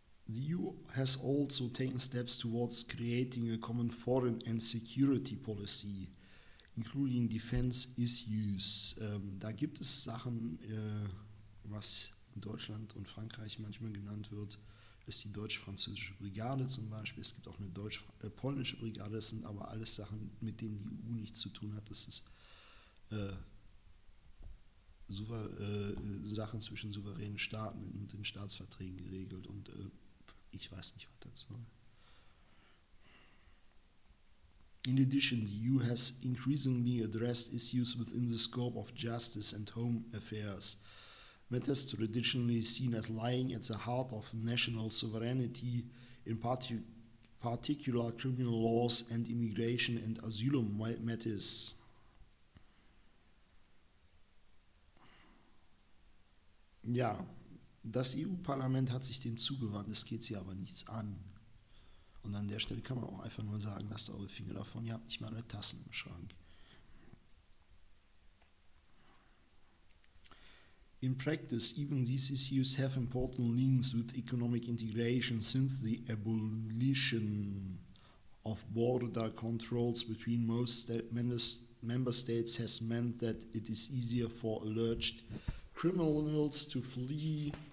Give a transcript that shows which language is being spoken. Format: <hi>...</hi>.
<en>The EU has also taken steps towards creating a common foreign and security policy, including defense issues.</en> <de>Da gibt es Sachen, was in Deutschland und Frankreich manchmal genannt wird, ist die deutsch-französische Brigade zum Beispiel. Es gibt auch eine deutsch-polnische Brigade. Das sind aber alles Sachen, mit denen die EU nichts zu tun hat. Das ist Sachen zwischen souveränen Staaten und den Staatsverträgen geregelt und ich weiß nicht, was dazu.</de> <en>In addition, the EU has increasingly addressed issues within the scope of justice and home affairs. Matters traditionally seen as lying at the heart of national sovereignty, in particular criminal laws and immigration and asylum matters.</en> <de>Ja. Das EU-Parlament hat sich dem zugewandt, es geht sie aber nichts an. Und an der Stelle kann man auch einfach nur sagen, lasst eure Finger davon, ihr habt nicht mal eine Tasse im Schrank.</de> <en>In practice, even these issues have important links with economic integration since the abolition of border controls between most member states has meant that it is easier for alleged criminals to flee</en>